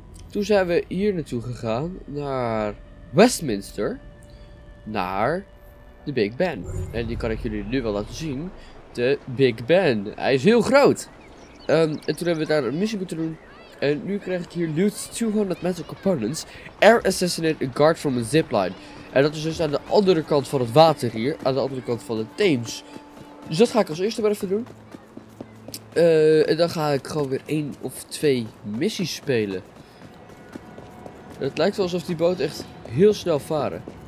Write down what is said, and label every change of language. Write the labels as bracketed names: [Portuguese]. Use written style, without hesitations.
[Dutch] Toen zijn we hier naartoe gegaan, naar Westminster. Naar de Big Ben. En die kan ik jullie nu wel laten zien. De Big Ben. Hij is heel groot. En toen hebben we daar een missie moeten doen. En nu krijg ik hier loot 200 metal components. [English] Air assassinate a guard from a zipline. [Dutch] En dat is dus aan de andere kant van het water hier. Aan de andere kant van de Thames. Dus dat ga ik als eerste maar even doen. En dan ga ik gewoon weer één of twee missies spelen. Het lijkt wel alsof die boot echt heel snel varen.